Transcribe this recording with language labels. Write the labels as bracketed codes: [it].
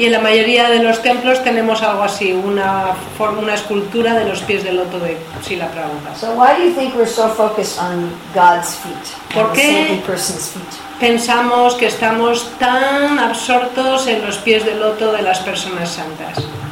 [es] Y en la mayoría de los templos tenemos algo así, una forma, una escultura de los pies del loto de Srila Prabhupada. [en] So why do you think we're so focused on God's feet? [es] ¿Por qué [en] the saintly person's feet? [es] Pensamos que estamos tan absortos en los pies del loto de las personas santas?